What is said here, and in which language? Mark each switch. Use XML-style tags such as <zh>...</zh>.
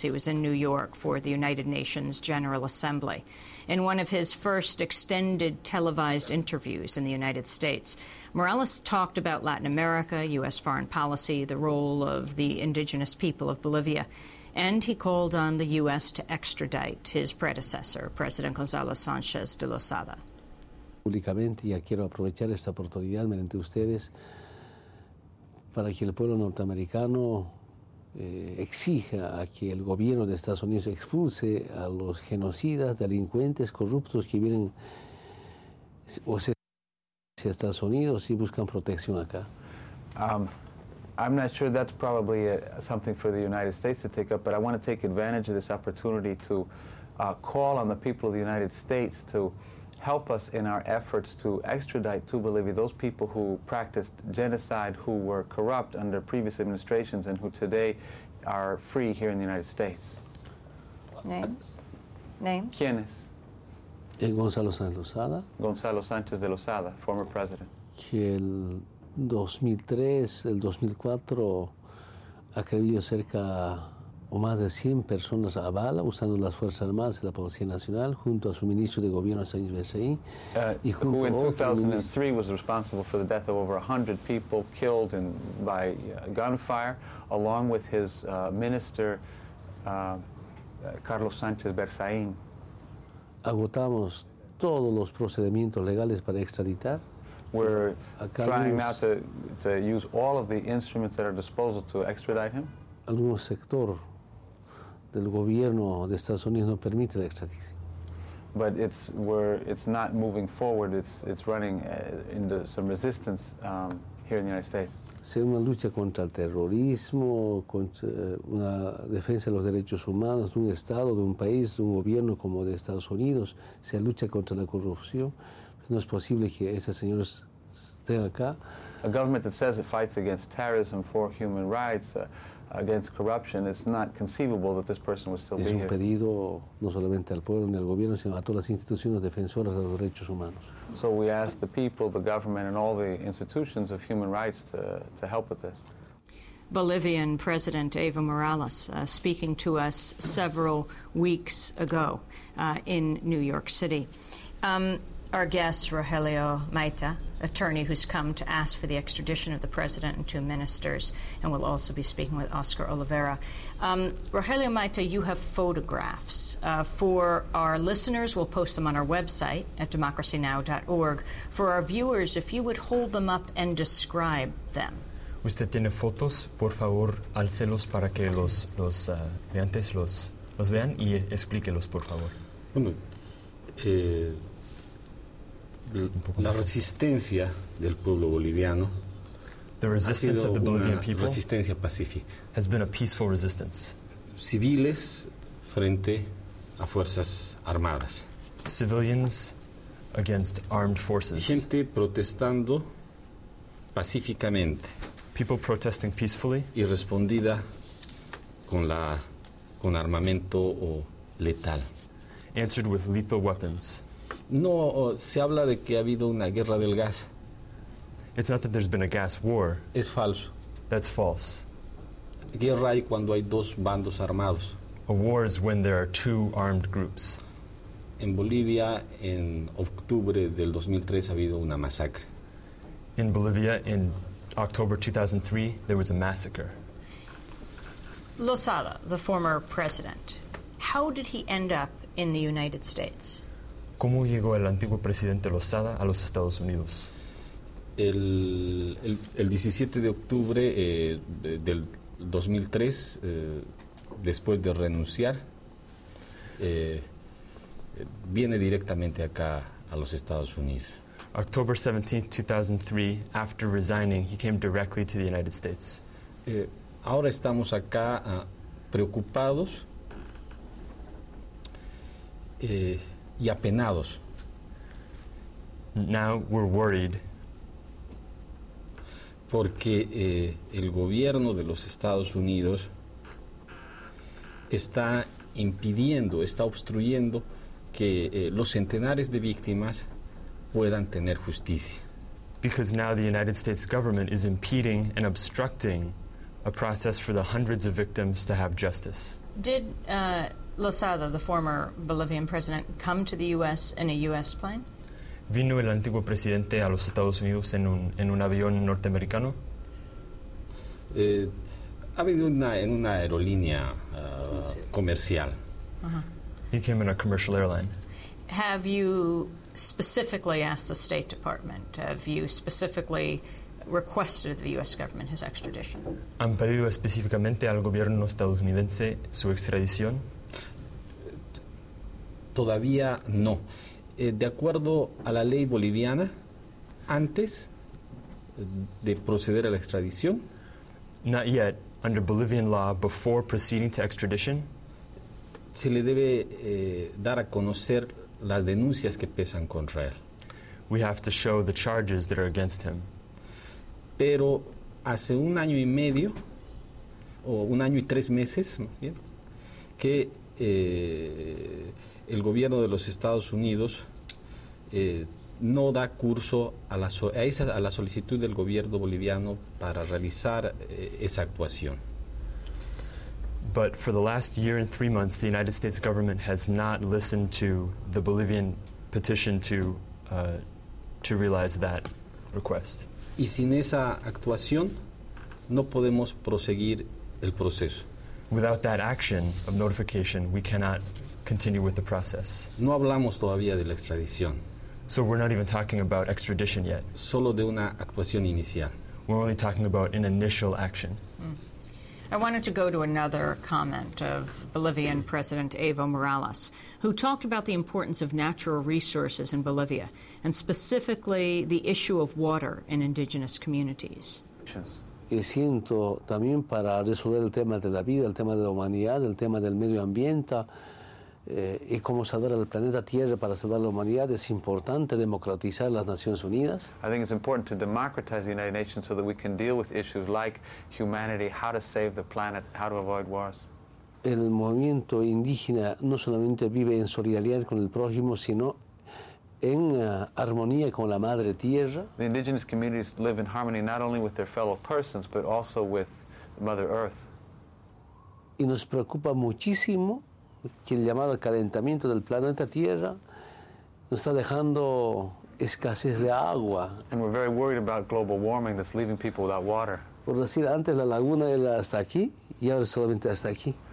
<en>He was in New York for the United Nations General Assembly. In one of his first extended televised interviews in the United States, Morales talked about Latin America, U.S. foreign policy, the role of the indigenous people of Bolivia, and he called on the U.S. to extradite his predecessor, President Gonzalo Sánchez de Lozada.</en> <es>Públicamente, ya quiero aprovechar esta oportunidad mediante ustedes para que el pueblo norteamericano exija a que el gobierno de Estados Unidos expulse a los genocidas, delincuentes, corruptos que vienen o se hacia Estados Unidos y buscan protección acá.</es> <en>I'm not sure that's probably something for the United States to take up, but I want to take advantage of this opportunity to call on the people of the United States to help us in our efforts to extradite to Bolivia those people who practiced genocide, who were corrupt under previous administrations, and who today are free here in the United States. Names?</en> <es>¿Quiénes? Gonzalo Sánchez de Lozada.</es> <en>Gonzalo Sánchez de Lozada, former president.</en> <es>Que el 2003, el 2004, acribilló cerca o más de 100 personas a bala usando las Fuerzas Armadas y la Policía Nacional junto a su ministro de Gobierno, Sánchez Berceín, y junto</es> <en>who in 2003 was responsible for the death of over 100 people killed in, by gunfire, along with his minister, Carlos Sánchez Berceín.</en> <es>Agotamos todos los procedimientos legales para extraditar.</es> <en>We're trying now to use all of the instruments at our disposal to extradite him.</en> <es>Algún sector del gobierno de Estados Unidos no permite la extradición.</es> <en>But it's not moving forward. It's running into some resistance here in the United States.</en> <es>Sea una lucha contra el terrorismo, contra una defensa de los derechos humanos de un estado, de un país, de un gobierno como de Estados Unidos. Sea lucha contra la corrupción. No es posible que esos señores estén acá.</es> <en>A government that says it fights against terrorism, for human rights, against corruption, it's not conceivable that this person would still</en> <es>es</es> <en>be here.</en> <es>Es un pedido no solamente al pueblo ni al gobierno, sino a todas las instituciones defensoras de los derechos humanos.</es> <en>So we ask the people, the government, and all the institutions of human rights to help with this. Bolivian President Evo Morales speaking to us several weeks ago in New York City. Our guest, Rogelio Maita, attorney who's come to ask for the extradition of the president and two ministers, and will also be speaking with Oscar Oliveira. Rogelio Maita, you have photographs. For our listeners, we'll post them on our website at democracynow.org. For our viewers, if you would hold them up and describe them.</en> <es>Usted tiene fotos, por favor, álcelos para que los leantes los vean y explíquelos, por favor. La resistencia del pueblo boliviano</es> <en>the resistance</en> <es>ha sido</es> <en>of the Bolivian people</en> <es>resistencia pacífica</es> <en>has been a peaceful resistance.</en> <es>Civiles frente a fuerzas armadas.</es> <en>Civilians against armed forces.</en> <es>Gente protestando pacíficamente.</es> <en>People protesting peacefully.</en> <es>Y respondida con armamento o letal.</es> <en>Answered with lethal weapons.</en> <es>No se habla de que ha habido una guerra del gas.</es> <en>It's not that there's been a gas war.</en> <es>Es falso.</es> <en>That's false.</en> <es>Guerra hay cuando hay dos bandos armados.</es> <en>A war is when there are two armed groups.</en> <es>En Bolivia, en octubre del 2003, ha habido una masacre.</es> <en>In Bolivia, in October 2003, there was a massacre. Lozada, the former president, how did he end up in the United States?</en> <es>¿Cómo llegó el antiguo presidente Lozada a los Estados Unidos? El 17 de octubre del 2003, después de renunciar, viene directamente acá a los Estados Unidos.</es> <en>October 17, 2003, after resigning, he came directly to the United States.</en> <es>Ahora estamos acá preocupados. Y apenados.</es> <en>Now we're worried.</en> <es>Porque el gobierno de los Estados Unidos está impidiendo, está obstruyendo que los centenares de víctimas puedan tener justicia.</es> <en>because now the United States government is impeding and obstructing a process for the hundreds of victims to have justice. Did Losada, the former Bolivian president, come to the U.S. in a U.S. plane?</en> <es>¿Vino el antiguo presidente a los Estados Unidos en un avión norteamericano? Ha venido en una aerolínea comercial.</es> <en>Uh-huh. He came in a commercial airline. Have you specifically asked the State Department? Have you specifically requested the U.S. government his extradition?</en> <es>¿Han pedido específicamente al gobierno estadounidense su extradición? Todavía no. De acuerdo a la ley boliviana, antes de proceder a la extradición,</es> <en>not yet, under Bolivian law, before proceeding to extradition,</en> <es>se le debe dar a conocer las denuncias que pesan contra él.</es> <en>We have to show the charges that are against him.</en> <es>Pero hace un año y medio, o un año y tres meses, más bien, que el gobierno de los Estados Unidos no da curso a la solicitud del gobierno boliviano para realizar esa actuación.</es> <en>But for the last year and three months, the United States government has not listened to the Bolivian petition to realize that request.</en> <es>Y sin esa actuación, no podemos proseguir el proceso.</es> <en>Without that action of notification, we cannot continue with the process.</en> <es>No hablamos todavía de la extradición.</es> <en>So we're not even talking about extradition yet.</en> <es>Solo de una actuación inicial.</es> <en>We're only talking about an initial action. Mm. I wanted to go to another comment of Bolivian President Evo Morales, who talked about the importance of natural resources in Bolivia, and specifically the issue of water in indigenous communities.</en> <es>Y siento también para resolver el tema de la vida, el tema de la humanidad, el tema del medio ambiente, y cómo salvar al planeta Tierra para salvar a la humanidad, es importante democratizar las Naciones Unidas.</es> <en>I think it's important to democratize the United Nations so that we can deal with issues like humanity, how to save the planet, how to avoid wars.</en> <es>El movimiento indígena no solamente vive en solidaridad con el prójimo, sino en armonía con la madre tierra.</es> <en>The indigenous communities live in harmony not only with their fellow persons, but also with Mother Earth.</en> <es>Y nos preocupa muchísimo que el llamado calentamiento del planeta Tierra nos está dejando escasez de agua.</es> <en>And we're very worried about global warming that's leaving people without water.</en> <es>Por decir, antes la laguna era hasta aquí y ahora solamente hasta aquí.</es>